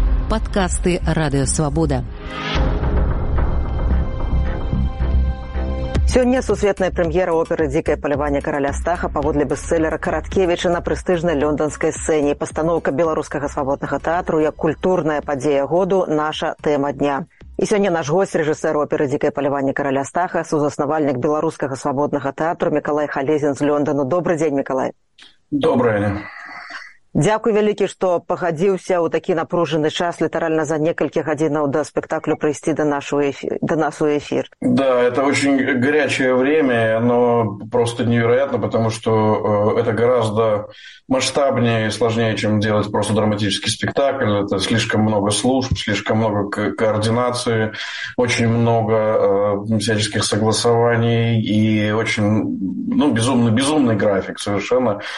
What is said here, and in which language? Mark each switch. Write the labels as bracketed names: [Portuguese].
[Russian] Подкасты «Радио Свобода». [Belarusian] Сёння сусветная прэм'ера оперы «Дзікае паляванне караля Стаха» паводле бестселера Караткевіча на прэстыжнай лонданскай сцэне. Пастаноўка беларускага свабоднага тэатру як культурная падзея году – наша тэма дня. І сёння наш гость, режисер оперы «Дзікае паляванне караля Стаха», сузаснавальнік беларускага свабоднага тэатру Мікалай Халезін з Лондону. Добрый дзень, Мікалай. Добрый дзень. Дзякуй вялікі, што пагадзіўся ў такі напружаны час, літаральна за некалькі гадзінаў да спектаклю прыйсці да нас у эфір. [Russian] Да, это очень горячее время, оно просто невероятно, потому что это гораздо масштабнее и сложнее, чем делать просто драматический спектакль. Это слишком много служб, слишком много координации, очень много всяческих согласований и очень, ну, безумный график совершенно.